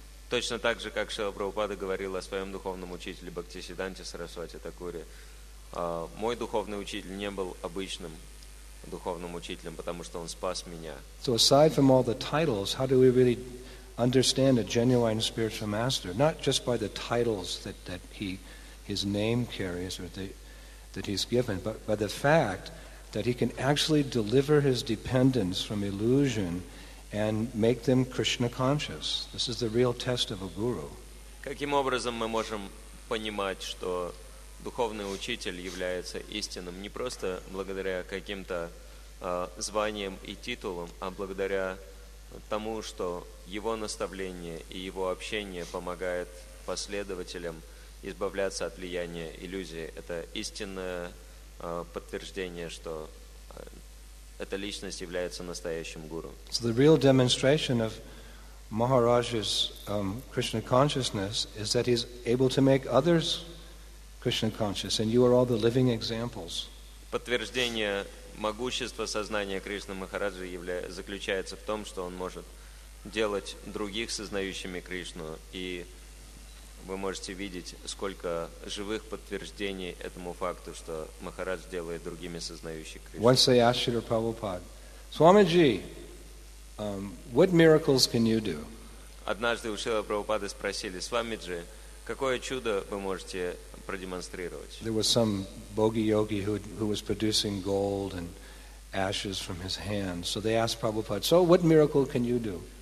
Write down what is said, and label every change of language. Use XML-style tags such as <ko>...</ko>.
<ru>Точно так же, как Шрила Прабхупада говорил о своем духовном учителе Бхакти Сиддханте Сарасвати Такуре, мой духовный учитель не был обычным духовным учителем, потому что он спас меня.</ru> <en>So aside from all the titles, how do we really understand a genuine spiritual master? Not just by the titles that he, his name carries or that he's given, but by the fact that he can actually deliver his dependents from illusion and make them Krishna conscious. This is the real test of a guru.</en> <ru>Каким образом мы можем понимать, что духовный учитель является истинным не просто благодаря каким-то званиям и титулам, а благодаря тому, что его наставление и его общение помогает последователям избавляться от влияния иллюзий. Это истинное подтверждение, что эта личность является настоящим гуру.</ru> <en>So the real demonstration of Maharaj's Krishna consciousness is that he's able to make others Krishna conscious, and you are all the living examples.</en> <ru>Подтверждение могущества сознания Кришны Махараджи заключается в том, что он может делать других сознающими Кришну, и вы можете видеть, сколько живых подтверждений этому факту, что Махарадж делает другими сознающими Кришну.</ru> <en>Once they asked Shri Prabhupada, Swamiji, what miracles can you do?</en> <ru>Однажды у Шрилы Прабхупады спросили, Свамиджи, какое чудо вы можете продемонстрировать?</ru> <en>There was some bogey yogi who was producing gold and ashes from his hands. So they asked Prabhupada, so what miracle can you do?</en>